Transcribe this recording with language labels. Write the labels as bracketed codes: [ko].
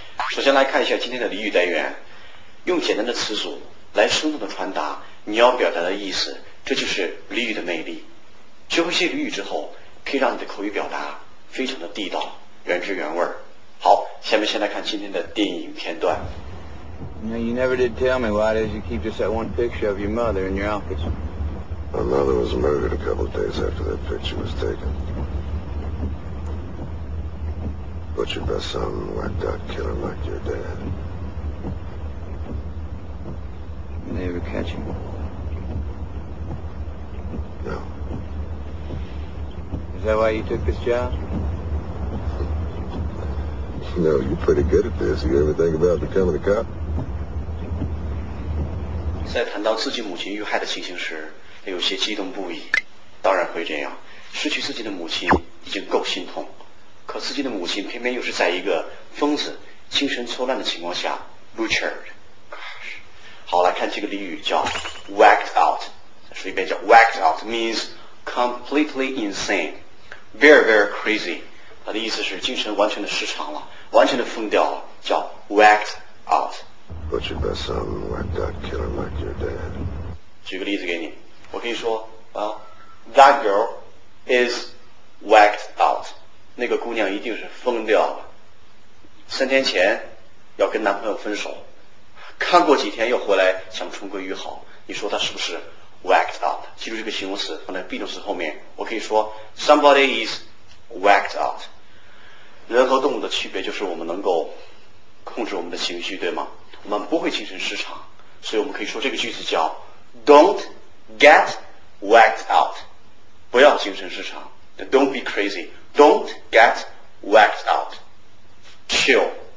[zh] 首先来看一下今天的俚语单元，用简单的词组来生动的传达你要表达的意思，这就是俚语的魅力。学会一些俚语之后，可以让你的口语表达非常的地道，原汁原味。好，下面先来看今天的电影片段。 [en] Now, you never did tell me why it is you keep just that one picture of your mother in your office. My mother was murdered a couple of days after that picture was taken. Butchered by some whacked-out killer like your dad. Did they ever catch him? No. Is that why you took this job? You know, you're pretty good at this. You ever think about becoming a cop? [zh] 在谈到自己母亲遇害的情形时，他有些激动不已。当然会这样，失去自己的母亲已经够心痛，可自己的母亲偏偏又是在一个疯子精神错乱的情况下 butchered。好，来看这个俚语叫 whacked out。再说一遍，叫 [en] whacked out means completely insane, very very crazy。 [zh] 它的意思是精神完全的失常了，完全的疯掉了，叫 whacked out。 [en] Butchered by some whacked-out killer like your dad. [zh] 举个例子给你，我可以说 ， [en] Well, that girl is whacked out. [zh] 那个姑娘一定是疯掉了。三天前要跟男朋友分手，看过几天又回来想重归于好。你说她是不是 whacked out？ 记住这个形容词放在 be 动词后面。我可以说 [en] somebody is whacked out. [zh] 人和动物的区别就是我们能够控制我们的情绪，对吗？我们不会精神失常，所以我们可以说这个句子叫 [en] Don't get whacked out， [zh] 不要精神失常。 [en] Don't be crazy， Don't get whacked out， Chill。